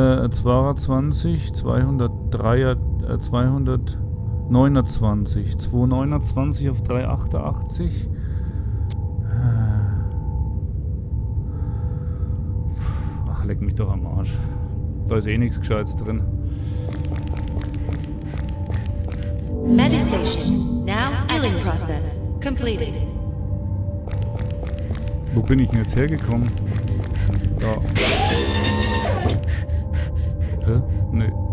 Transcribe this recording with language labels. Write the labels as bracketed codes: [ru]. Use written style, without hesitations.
[de] 229 auf 3,88. Ach, leck mich doch am Arsch. Da ist eh nichts Gescheites drin. [en] Medistation now healing process completed. [de] Wo bin ich denn jetzt hergekommen? Da. Hä? Nee.